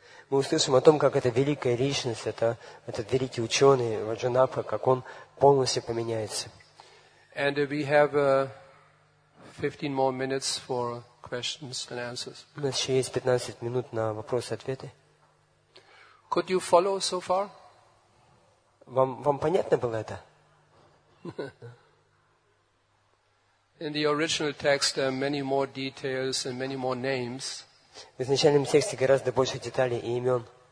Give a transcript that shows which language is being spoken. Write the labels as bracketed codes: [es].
[ru] Мы услышим о том, как эта великая личность, этот великий ученый Ваджанатха, как он полностью поменяется. [en] And we have 15 more minutes for questions and answers. [ru] У нас еще есть 15 минут на вопросы-ответы. [en] Could you follow so far? [ru] Вам понятно было это? [en] In the original text, there are many more details and many more names. [ru] В изначальном тексте гораздо больше деталей и имен.